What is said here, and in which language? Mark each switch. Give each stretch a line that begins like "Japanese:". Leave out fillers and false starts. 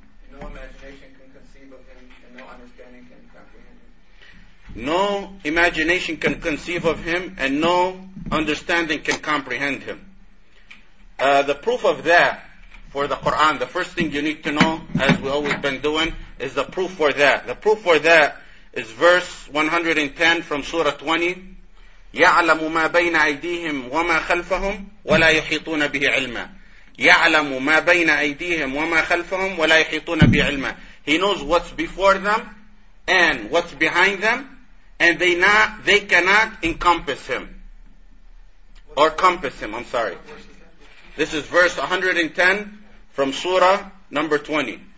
English: No imagination can conceive of him, and no understanding can comprehend him. No imagination can conceive of him, and no understanding can comprehend him. The proof of that for the Qur'an, the first thing you need to know, as we always been doing, is the proof for that. The proof for that is verse 110 from Surah 20,
Arabic: يَعْلَمُ مَا بَيْنَ أَيْدِيهِمْ وَمَا خَلْفَهُمْ وَلَا يُحِيطُونَ بِهِ عِلْمًا. يَعْلَمُ مَا بَيْنَ أَيْدِيهِمْ وَمَا خَلْفَهُمْ وَلَا يُحِيطُونَ بِهِ عِلْمًا.
English: He knows what's before them and what's behind them, and they cannot encompass him. Or compass him, I'm sorry. This is verse 110 from Surah number 20.